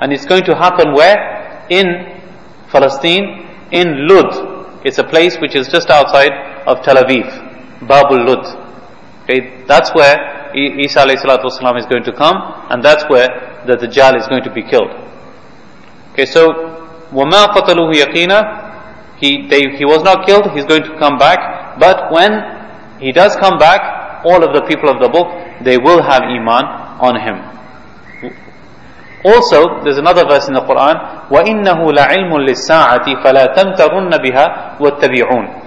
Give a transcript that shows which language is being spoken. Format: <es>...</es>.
<en>And it's going to happen where? In Palestine, in Lud. It's a place which is just outside of Tel Aviv. Babul Lud. Okay, that's where Isa alayhi salatu wasalam is going to come, and that's where the Dajjal is going to be killed. Okay, so</en> <ar>وَمَا قَتَلُوهُ يَقِينًا.</ar> <en>He was not killed, he's going to come back. But when he does come back, all of the people of the book, they will have iman on him. Also, there's another verse in the Quran</en> <ar>وَإِنَّهُ لَعِلْمٌ لِلسَّاعَةِ فَلَا تَمْتَرُنَّ بِهَا وَاتَّبِعُونَ.</ar>